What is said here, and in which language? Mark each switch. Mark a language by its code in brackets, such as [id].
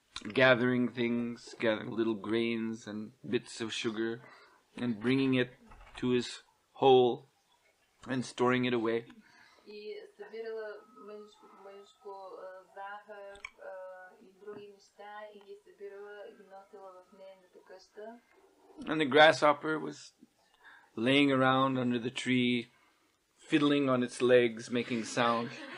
[en] gathering things, gathering little grains and bits of sugar, and bringing it to his hole and storing it away. [bg] И събирала мъничко по мъничко захар и други неща и ги събирала и ги носила в нейната къща. [en] And the grasshopper was laying around under the tree, fiddling on its legs, making sound.